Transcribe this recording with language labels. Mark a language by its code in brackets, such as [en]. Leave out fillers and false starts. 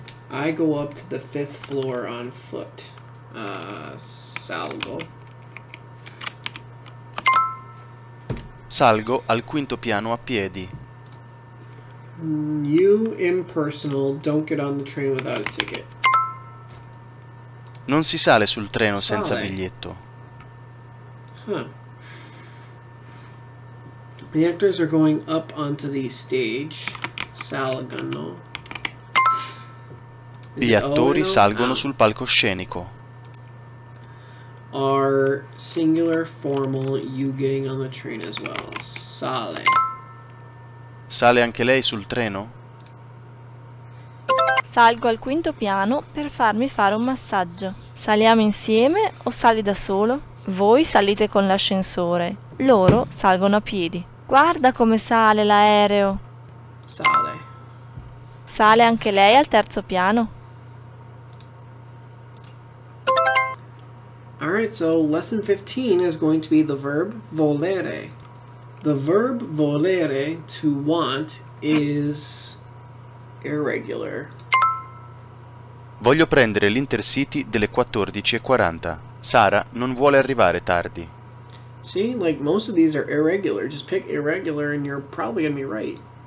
[en] I go up to the fifth floor on foot. [it] Salgo. Salgo al quinto piano a piedi. [en] You impersonal don't get on the train without a ticket. [it] Non si sale sul treno senza biglietto. Huh. [en] The actors are going up onto the stage. [it] Salgono. Gli attori salgono sul palcoscenico. [en] Are singular formal you getting on the train as well? [it] Sale. Sale anche lei sul treno? Salgo al quinto piano per farmi fare un massaggio. Saliamo insieme o sali da solo? Voi salite con l'ascensore. Loro salgono a piedi. Guarda come sale l'aereo. Sale. Sale anche lei al terzo piano? [en] Alright, so lesson 15 is going to be the verb volere. The verb volere, to want, is irregular. [it] Voglio prendere l'Intercity delle 14:40. Sara non vuole arrivare tardi. [en] See, like most of these are irregular. Just pick irregular and you're probably gonna be right.